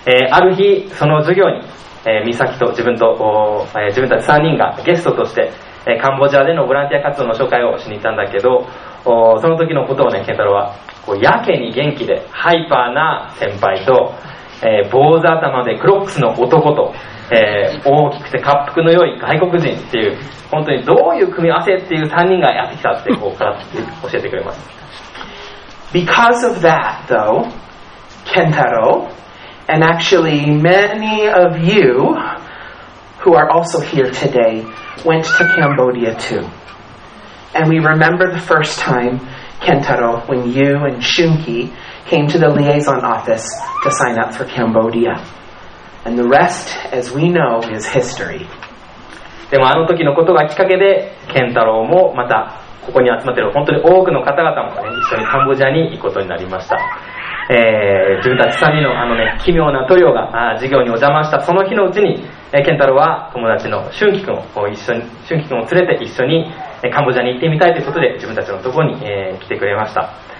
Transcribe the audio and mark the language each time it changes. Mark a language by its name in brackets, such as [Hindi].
[Japanese] ある日、その授業に、美咲と自分と、自分たち3人がゲストとして、カンボジアでのボランティア活動の紹介をしに行ったんだけど、その時のことをね、健太郎は、こうやけに元気でハイパーな先輩と、坊主頭でクロックスの男と、大きくて恰幅の良い外国人っていう本当にどういう組み合わせっていう3人がやってきたってこう語って教えてくれます。 [English] Because of that though, Kentaro and actually many of you who are also here today went to Cambodia too. And we remember the first time Kentaro when you and Shunki came to the liaison office to sign up for Cambodia. And the rest, as we know, is history. [Japanese] でもあの時のことがきっかけで、ケンタロウもまたここに集まっている本当に多くの方々も、ね、一緒にカンボジアに行くことになりました。自分たち3人のあのね、奇妙な塗料が授業にお邪魔したその日のうちに、ケンタロウは友達の俊輝くんを一緒に、俊輝くんを連れて一緒にカンボジアに行ってみたいということで自分たちのところに、来てくれました。